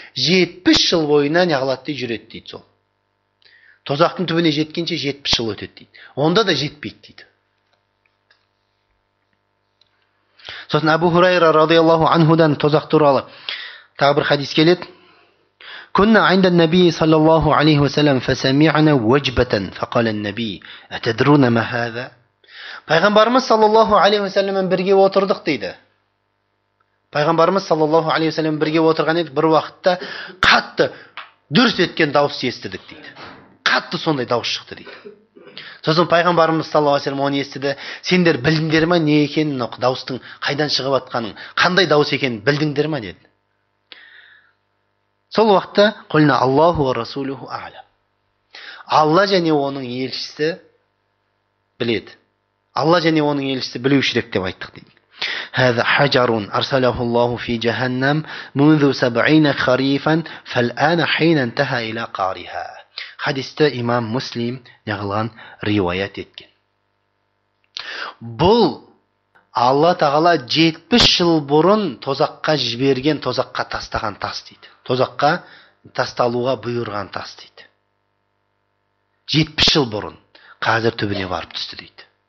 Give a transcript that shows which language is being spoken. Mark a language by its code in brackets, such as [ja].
[kk] 70 жыл бойына неғылады дейді жүреді дейді сол. Тозақтың түбіне жеткенше 70 жыл өтеді дейді. Онда да жетпейді дейді. Сосын Абу Хурайра радиаллаху анхудан тозақ туралы тағы бір хадис келеді. [ar] كنا عند النبي صلى الله عليه وسلم فسمعنا وجبة فقال النبي أتدرون ما هذا؟ [kk] пайғамбарымыз саллаллаху алейхи уассаламмен бірге отырдық дейді. Пайғамбарымыз саллаллаху алейхи уассаламмен бірге отырған едік, бір уақытта қатты дүрс еткен дауыс естідік дейді. Қатты сондай дауыс шықты дейді. Сосын пайғамбарымыз саллаллаху алейхи уассалам оны естіді. Сендер білдіңдер ме не екенін, дауыстың қайдан шығып атқанын, қандай дауыс екенін білдіңдер ме деді. Сол уақытта қолына [ar] Аллаху ва расулуху аля. [kk] Алла және оның елшісі біледі. Алла және оның елшісі білушілік деп айттық дейді. [ar] هذا حجر ارسله الله في جهنم منذ 70 خريفا فالان حين انتهى الى قارها. [kk] Хадисте имам Муслим неғылған риwayat еткен. Бұл Алла Тағала 70 жыл бұрын тозаққа жіберген, тозаққа тастаған тас дейді. Тозаққа тасталуға бұйырған тас дейді. 70 жыл бұрын қазір түбіне барып түсті дейді.